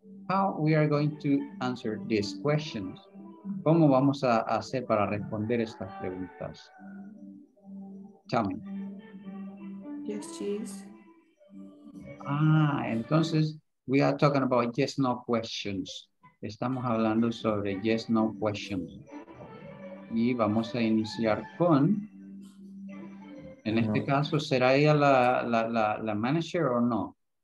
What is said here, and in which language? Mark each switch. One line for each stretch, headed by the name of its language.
English: How we are going to answer these questions?
Spanish: ¿Cómo vamos a hacer para responder estas preguntas?
English: Tell me. Yes, she is.
Spanish: Ah, entonces,
English: we are talking about yes, no questions.
Spanish: Estamos hablando sobre
English: yes, no questions.
Spanish: Y vamos a iniciar con, en este caso, ¿será ella la manager o no?